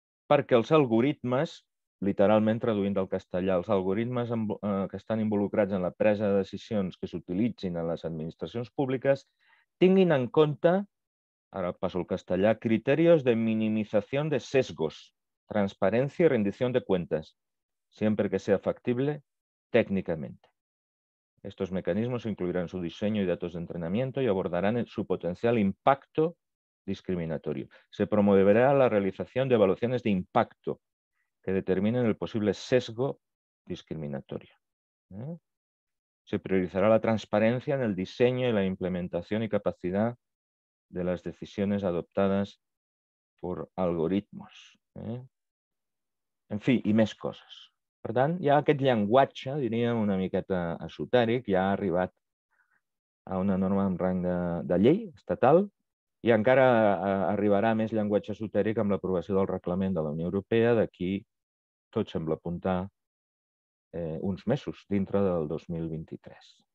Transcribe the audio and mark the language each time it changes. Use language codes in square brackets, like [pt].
[ca] perquè els algoritmes, literalment traduint del castellà, els algoritmes que estan involucrats en la presa de decisions que s'utilitzin en les administracions públiques tinguin en compte, ara passo al castellà, criteris de minimització de sesgos, transparència i rendició de comptes, sempre que sigui factible tècnicament. [es] Estos mecanismos incluirán su diseño y datos de entrenamiento y abordarán su potencial impacto discriminatorio. Se promoverá la realización de evaluaciones de impacto que determinen el posible sesgo discriminatorio. Se priorizará la transparencia en el diseño y la implementación y capacidad de las decisiones adoptadas por algoritmos. [ca] En fi, i més coses. Per tant, ja aquest llenguatge, diríem, una miqueta esotèric, ja ha arribat a una norma amb rang de llei estatal i encara arribarà més llenguatge esotèric amb l'aprovació del reglament de la Unió Europea d'aquí, tot sembla apuntar, uns mesos, dintre del 2023.